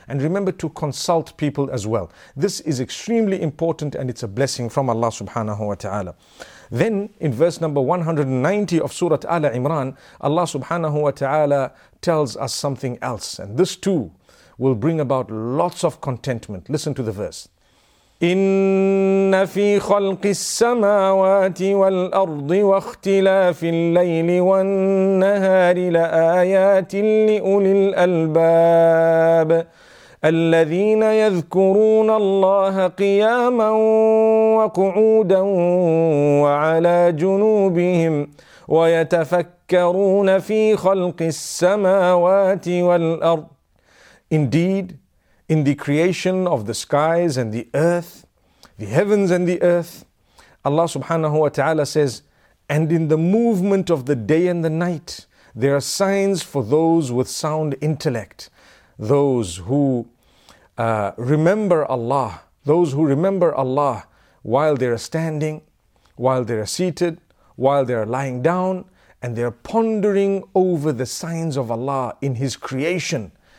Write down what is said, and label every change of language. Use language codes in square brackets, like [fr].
[en] And remember to consult people as well. This is extremely important, and it's a blessing from Allah subhanahu wa ta'ala. Then in verse number 190 of Surah Ala Imran, Allah subhanahu wa ta'ala tells us something else. And this too will bring about lots of contentment. Listen to the verse. [ar] إِنَّ فِي خَلْقِ السَّمَاوَاتِ وَالْأَرْضِ وَاخْتِلَافِ اللَّيْلِ وَالنَّهَارِ لَآيَاتٍ لِأُولِي الْأَلْبَابِ الذين يذكرون الله قياما وقعودا وعلى جنوبهم ويتفكرون في خلق السماوات والأرض. [en] Indeed, in the creation of the skies and the earth, the heavens and the earth, Allah subhanahu wa ta'ala says, and in the movement of the day and the night, there are signs for those with sound intellect, those who remember Allah, those who remember Allah while they are standing, while they are seated, while they are lying down, and they are pondering over the signs of Allah in His creation.